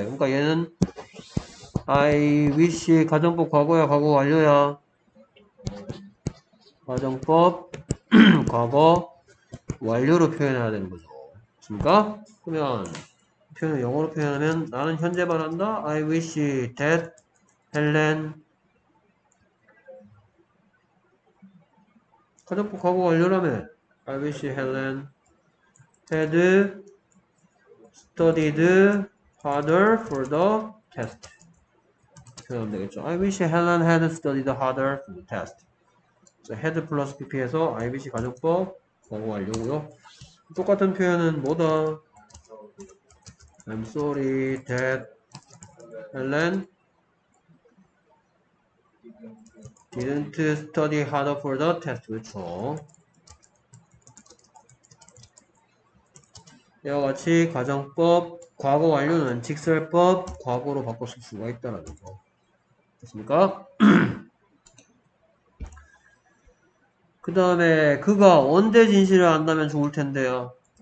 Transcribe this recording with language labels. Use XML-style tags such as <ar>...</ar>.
<ko>그러니까 얘는</ko> <en>I wish</en> <ko>가정법 과거야, 과거 완료야. 가정법 과거 완료로 표현해야 되는 거죠. 그러니까 그러면 표현을 영어로 표현하면 나는 현재 말한다.</ko> <en>I wish that Helen</en> <ko>가정법 과거 완료라면</ko> <en>I wish Helen had studied harder for the test.</en> <ko>표현하면 되겠죠.</ko> <en>I wish Helen had studied harder for the test. So had plus pp에서 I wish</en> <ko>가정법 과거 완료고요. 똑같은 표현은 뭐다?</ko> <en>I'm sorry that Helen didn't study harder for the test.</en> <ko>그렇죠. 이와 같이 가정법 과거 완료는 직설법 과거로 바꿀 수가 있다라는 거. 됐습니까? 그 다음에 그가 언제 진실을 안다면 좋을 텐데요.</ko>